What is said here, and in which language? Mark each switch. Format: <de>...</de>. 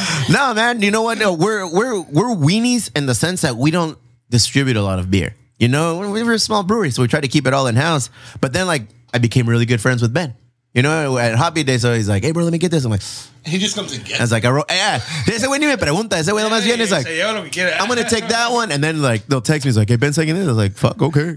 <en>No, man, you know what? No, we're weenies in the sense that we don't distribute a lot of beer. You know, we were a small brewery, so we tried to keep it all in-house. But then, like, I became really good friends with Ben. You know, at Hobby Day, so he's like, hey, bro, let me get this. I'm like, he just comes again.</en> <es>I was like, ese güey ni me pregunta, ese güey lo más bien.</es> <en>He's like, I'm going to take that one. And then, like, they'll text me, he's like, hey, Ben's taking this. I was like, fuck, okay.</en>